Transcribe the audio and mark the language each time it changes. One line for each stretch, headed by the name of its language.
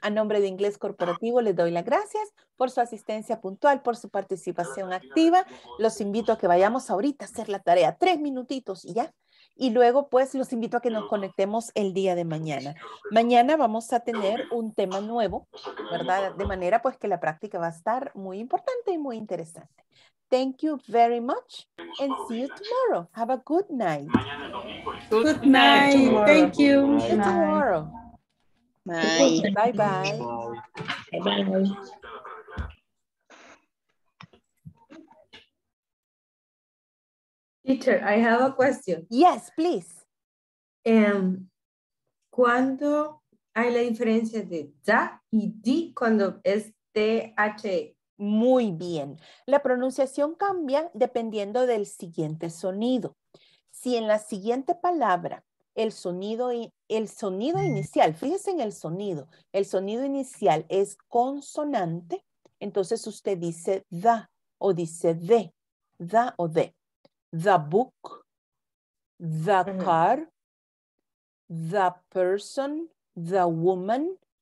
Spanish: A nombre de Inglés Corporativo les doy las gracias por su asistencia puntual, por su participación activa. Los invito a que vayamos ahorita a hacer la tarea. 3 minutitos y ya. Y luego pues los invito a que nos conectemos el día de mañana. Mañana vamos a tener un tema nuevo, ¿verdad? De manera pues que la práctica va a estar muy importante y muy interesante.
English: Thank you very much and see you tomorrow. Have a good night. Good night. Thank you. See you tomorrow. Bye. Bye-bye. Bye-bye. Teacher, I have a question. Yes, please.
Spanish: ¿Cuándo hay la diferencia de da y di cuando es T-H-E? Muy bien. La pronunciación cambia dependiendo del siguiente sonido. Si en la siguiente palabra el sonido inicial, fíjense en el sonido inicial es consonante, entonces usted dice da o dice de, da o de.
English: The book, the car, the person, the woman.